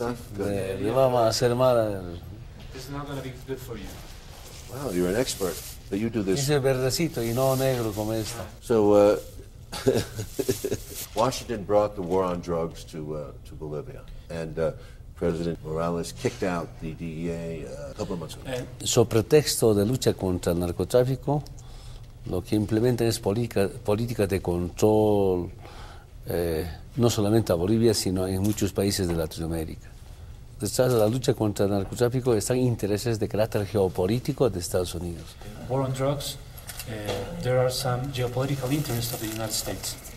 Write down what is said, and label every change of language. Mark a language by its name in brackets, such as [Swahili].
[English] not going to be good for you. Wow, you're an expert. But you do this. [Spanish] Es verdecito y no negro como esta. [English] So, Washington brought the war on drugs to Bolivia. And President Morales kicked out the DEA a couple of months ago. [Spanish] So, pretexto de lucha contra el narcotráfico, lo que implementa es política de control. No solamente a Bolivia, sino en muchos países de Latinoamérica. Detrás de la lucha contra el narcotráfico están intereses de carácter geopolítico de Estados Unidos. [English] War on drugs, there are some geopolitical interests of the United States.